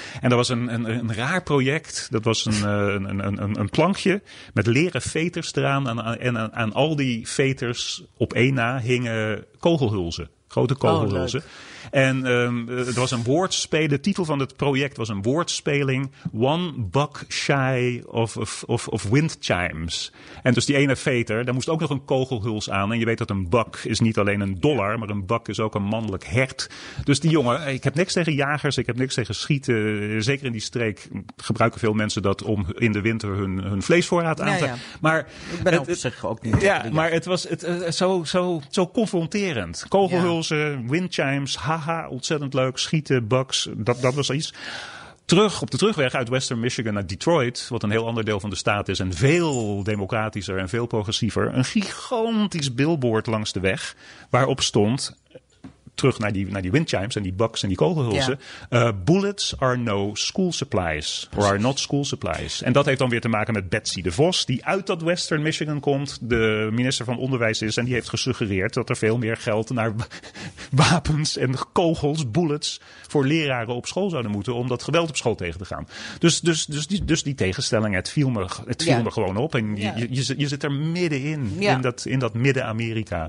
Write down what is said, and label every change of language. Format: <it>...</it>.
<nl>En er was een raar project. Dat was een plankje met leren veters eraan. En aan al die veters op één na hingen kogelhulzen. Grote kogelhulzen. Oh, En het was een woordspeling. De titel van het project was een woordspeling.</nl> <en>One buck shy of wind chimes.</en> <nl>En dus die ene veter, daar moest ook nog een kogelhuls aan. En je weet dat een buck is niet alleen een dollar, maar een buck is ook een mannelijk hert. Dus die jongen, ik heb niks tegen jagers, ik heb niks tegen schieten. Zeker in die streek gebruiken veel mensen dat om in de winter hun vleesvoorraad aan te... Maar ik ben op zich ook niet. Ja, maar het was zo confronterend. Kogelhulzen, windchimes, haha, ontzettend leuk. Schieten, bugs, dat was iets. Terug op de terugweg uit Western Michigan naar Detroit, wat een heel ander deel van de staat is en veel democratischer en veel progressiever. Een gigantisch billboard langs de weg waarop stond, terug naar die windchimes en die bugs en die kogelhulzen. Ja.</nl> <en>Bullets are no school supplies. Or are not school supplies.</en> <nl>En dat heeft dan weer te maken met Betsy DeVos, die uit dat Western Michigan komt, de minister van Onderwijs is, en die heeft gesuggereerd dat er veel meer geld naar wapens en kogels, bullets, voor leraren op school zouden moeten om dat geweld op school tegen te gaan. Dus die tegenstelling, het viel me gewoon op. En je zit er middenin, in dat midden-Amerika.</nl>